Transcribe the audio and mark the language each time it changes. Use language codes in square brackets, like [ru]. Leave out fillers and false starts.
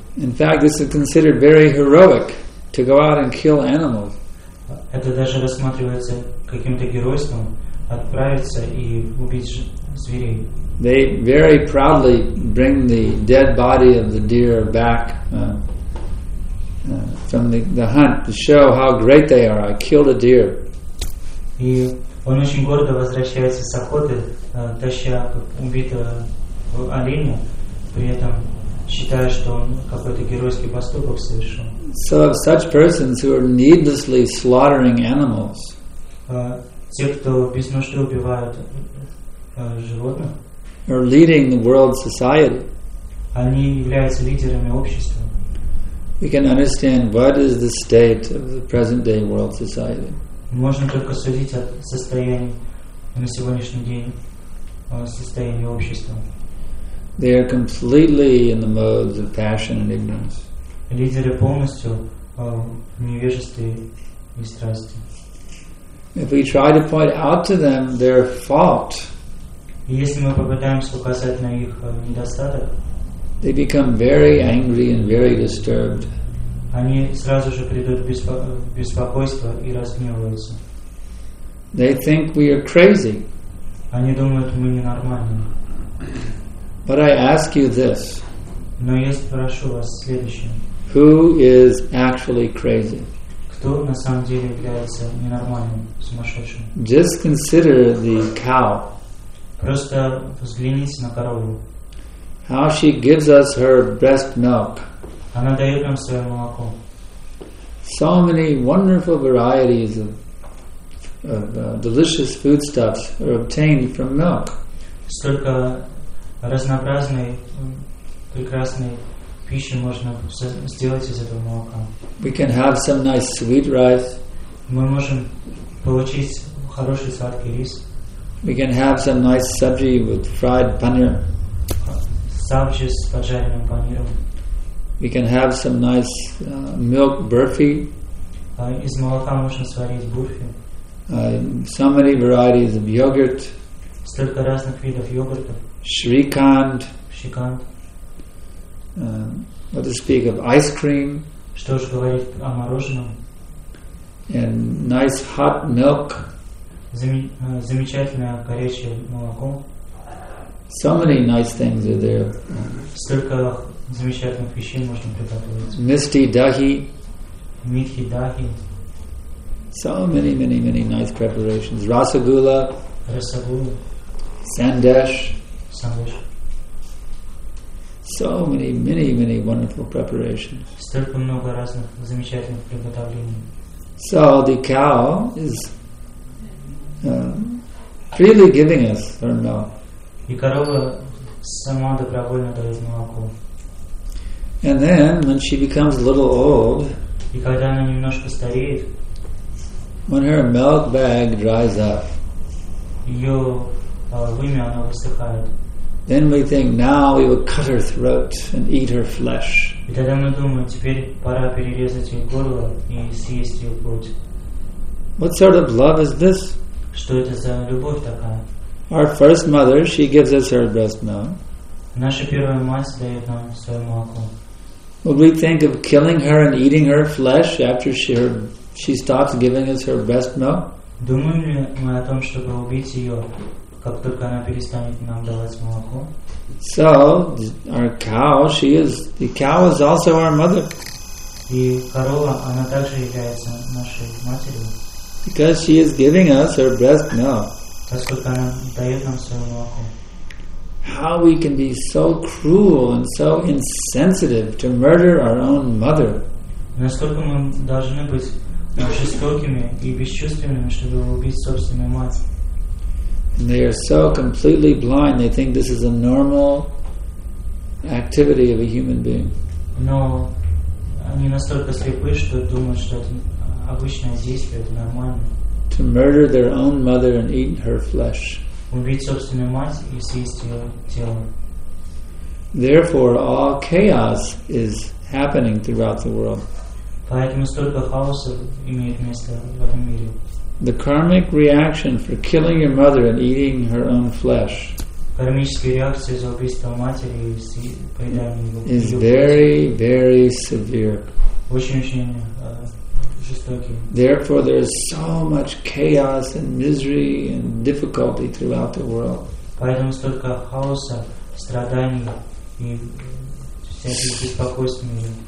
[en] In fact, this is considered very heroic to go out and kill animals. [ru] Это даже рассматривается каким-то геройством отправиться и убить зверей. [en] They very proudly bring the dead body of the deer back from the hunt to show how great they are. I killed a deer. [ru] И он очень гордо возвращается с охоты, таща убитого оленя, при этом считая, что он какой-то геройский поступок совершил. [en] So such persons who are needlessly slaughtering animals. [ru] Те, кто без нужды убивают животных. [en] Are leading the world society. [ru] Они являются лидерами общества. [en] We can understand what is the state of the present day world society. [ru] Можно только судить о состоянии на сегодняшний день, о состоянии общества. [en] They are completely in the modes of passion and ignorance. [ru] Лидеры полностью в невежестве и страсти. [en] If we try to point out to them their fault, [ru] если мы попытаемся указать на их недостаток, [en] they become very angry and very disturbed. [ru] Они сразу же придут в беспокойство и разгневаются. [en] They think we are crazy. [ru] Они думают, мы ненормальные. [en] But I ask you this. [ru] Но я спрошу вас следующее. [en] Who is actually crazy? [ru] Кто на самом деле является ненормальным, сумасшедшим? [en] Just consider the cow. [ru] Просто взгляните на корову. [en] How she gives us her breast milk. [ru] Она дает нам свое молоко. [en] So many wonderful varieties of delicious foodstuffs are obtained from milk. [ru] Столько разнообразной, прекрасной пищи можно сделать из этого молока. [en] We can have some nice sweet rice. [ru] Мы можем получить хороший сладкий рис. [en] We can have some nice sabji with fried paneer. [ru] Sabji с поджаренным панером. [en] We can have some nice milk burfi. [ru] Из молока можно сварить бурфи. [en] So many varieties of yogurt. [ru] Столько разных видов йогурта. [en] Shrikhand. [ru] Shrikhand. [en] What to speak of ice cream. [ru] Что же говорить о мороженом. [en] And nice hot milk. [ru] Замечательное горячее молоко. [en] So many nice things are there. [ru] Столько замечательных вещей можно приготовить. [en] Misty dahi. [ru] Midhi dahi. [en] So many, many, many nice preparations. Rasagula. [ru] Rasagula. [en] Sandesh. [ru] Sandesh. [en] So many, many, many wonderful preparations. [ru] Столько много разных замечательных приготовлений. [en] So the cow is freely giving us her milk. [ru] И корова сама добровольно дает молоко. [en] And then, when she becomes a little old, [ru] и когда она немножко стареет, [en] when her milk bag dries up, [ru] ее вымя она высыхает. [en] Then we think, now we will cut her throat and eat her flesh. [ru] И тогда мы думаем, теперь пора перерезать ее горло и съесть ее плоть. [en] What sort of love is this? [ru] Что это за любовь такая? [en] Our first mother, she gives us her breast milk. [ru] Наша первая мать дает нам свое молоко. [en] Would we think of killing her and eating her flesh after she stops giving us her breast milk? [ru] Думаем ли мы о том, чтобы убить ее, как только она перестанет нам давать молоко? [en] So our cow, the cow is also our mother. [ru] И корова, она также является нашей матерью. [en] Because she is giving us her breast milk. [ru] Поскольку она дает нам свое молоко. [en] How we can be so cruel and so insensitive to murder our own mother. [ru] Насколько мы должны быть жестокими и бесчувственными, чтобы убить собственную мать. [en] And they are so completely blind, they think this is a normal activity of a human being. [ru] Но они настолько слепы, что думают, что это обычное действие, это нормально. [en] To murder their own mother and eat her flesh. [ru] Убить собственную мать и съесть ее тело. [en] Therefore, all chaos is happening throughout the world. [ru] Поэтому столько хаоса имеет место в этом мире. [en] The karmic reaction for killing your mother and eating her own flesh. [ru] Кармическая реакция за убийство матери и поедание ее. [en] Is very, very severe. [ru] Очень-очень жестокий. [en] Therefore, there is so much chaos and misery and difficulty throughout the world. [ru] Поэтому столько хаоса, страданий и всяких беспокойств в мире.